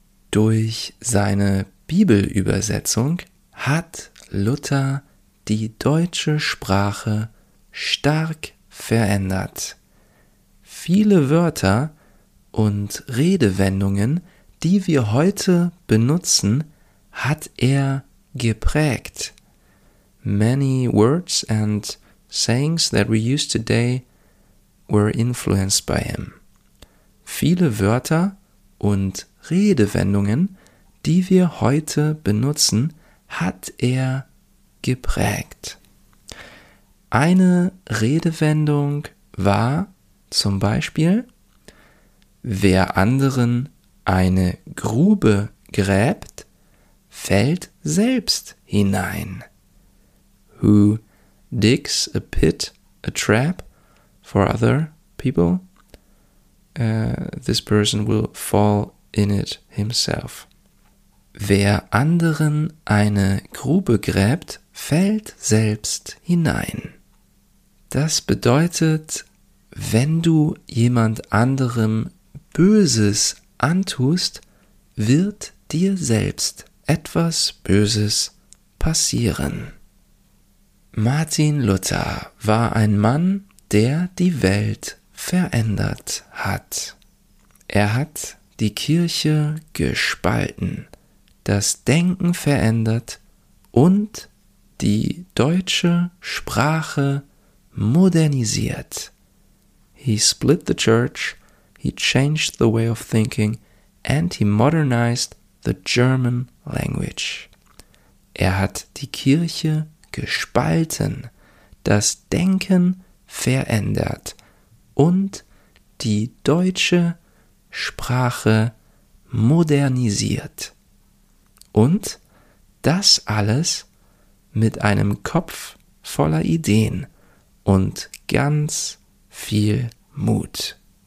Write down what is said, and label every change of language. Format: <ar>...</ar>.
<de>Durch seine Bibelübersetzung hat Luther die deutsche Sprache stark verändert. Viele Wörter und Redewendungen, die wir heute benutzen, hat er geprägt.</de> <en>Many words and sayings that we use today were influenced by him.</en> <de>Viele Wörter und Redewendungen, die wir heute benutzen, hat er geprägt. Eine Redewendung war zum Beispiel, wer anderen eine Grube gräbt, fällt selbst hinein.</de> <en>Who digs a pit, a trap for other people, this person will fall in it himself.</en> <de>Wer anderen eine Grube gräbt, fällt selbst hinein. Das bedeutet, wenn du jemand anderem Böses antust, wird dir selbst etwas Böses passieren. Martin Luther war ein Mann, der die Welt verändert hat. Er hat die Kirche gespalten, das Denken verändert und die deutsche Sprache modernisiert.</de> <en>He split the church, he changed the way of thinking, and he modernized the German language.</en> <de>Er hat die Kirche gespalten, das Denken verändert und die deutsche Sprache modernisiert. Und das alles mit einem Kopf voller Ideen und ganz viel Mut.</de>